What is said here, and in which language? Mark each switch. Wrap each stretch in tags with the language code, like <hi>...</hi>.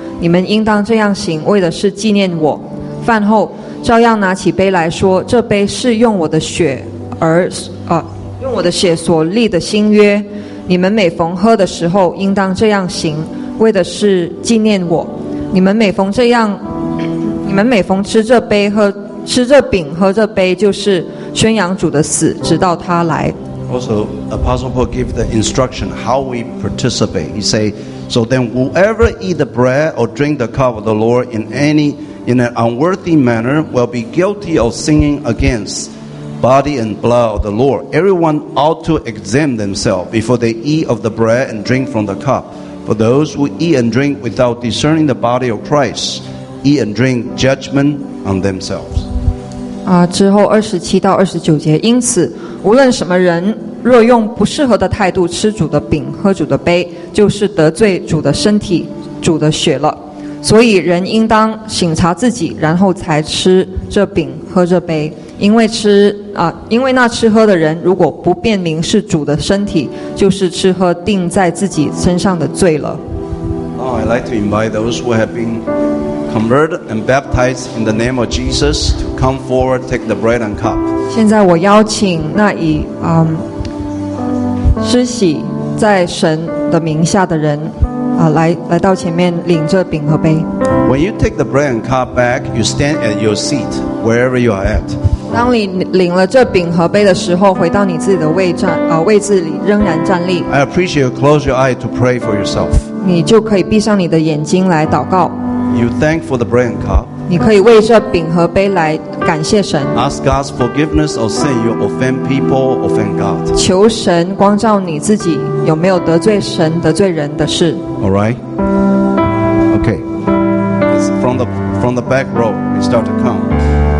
<zh>你们应当这样行，为的是纪念我。” 饭后，照样拿起杯来说：“这杯是用我的血而，用我的血所立的新约。你们每逢喝的时候，应当这样行，为的是纪念我。你们每逢这样。” 你们每逢吃这杯喝吃这饼喝这杯，就是宣扬主的死，直到他来。</zh> <en>Also, Apostle Paul gave the instruction how we participate. He say, so then whoever eat the bread or drink the cup of the Lord in an unworthy manner will be guilty of sinning against body and blood of the Lord. Everyone ought to examine themselves before they eat of the bread and drink from the cup. For those who eat and drink without discerning the body of Christ. Eat and drink judgment on themselves.</en> <zh>之后二十七到二十九节，因此，无论什么人若用不适合的态度吃主的饼、喝主的杯，就是得罪主的身体、主的血了。所以人应当省察自己，然后才吃这饼、喝这杯。因为吃因为那吃喝的人如果不辨明是主的身体，就是吃喝定在自己身上的罪了。</zh> <en>Now I'd like to invite those who have beenconverted and baptized in the name of Jesus to come forward, take the bread and cup.</en> <zh>现在我邀请那已施洗在神的名下的人来到前面领着饼和杯。</zh> <en>When you take the bread and cup back, you stand at your seat wherever you are at.</en> <zh>当你领了这饼和杯的时候，回到你自己的位置里仍然站立。</zh> <en>I appreciate you close your eyes to pray for yourself.</en> <zh>你就可以闭上你的眼睛来祷告。</zh> <en>You thank for the bread and cup.</en> <zh>你可以为这饼和杯来感谢神。</zh> <en>Ask God's forgiveness of sin you offend people, offend God.</en> <zh>求神光照你自己有没有得罪神、得罪人的事。</zh> <en>All right. Okay. It's from the back row. We start to come.</en>